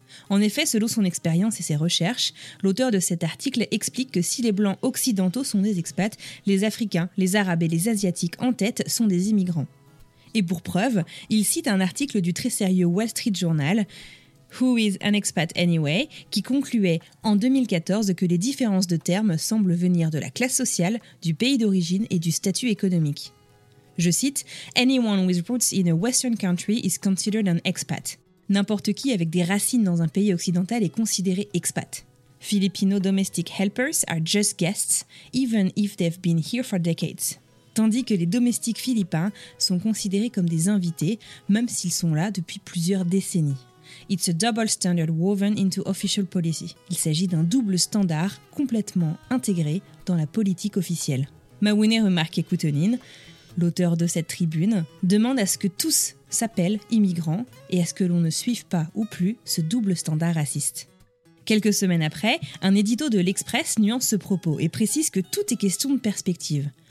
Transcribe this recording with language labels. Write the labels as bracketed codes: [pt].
[fr] En effet, selon son expérience et ses recherches, l'auteur de cet article explique que si les blancs occidentaux sont des expats, les Africains, les Arabes et les Asiatiques en tête sont des immigrants. Et pour preuve, il cite un article du très sérieux Wall Street Journal, [en] Who is an expat anyway, [fr] qui concluait en 2014 que les différences de termes semblent venir de la classe sociale, du pays d'origine et du statut économique. Je cite, [en] Anyone with roots in a Western country is considered an expat. [fr] N'importe qui avec des racines dans un pays occidental est considéré expat. [en] Filipino domestic helpers are just guests, even if they've been here for decades. [fr] Tandis que les domestiques philippins sont considérés comme des invités, même s'ils sont là depuis plusieurs décennies. [en] It's a double standard woven into official policy. [fr] Il s'agit d'un double standard complètement intégré dans la politique officielle. Mawune remarque Koutonin, l'auteur de cette tribune, demande à ce que tous s'appellent immigrants et à ce que l'on ne suive pas ou plus ce double standard raciste. Quelques semaines après, un édito de L'Express nuance ce propos et précise que tout est question de perspective.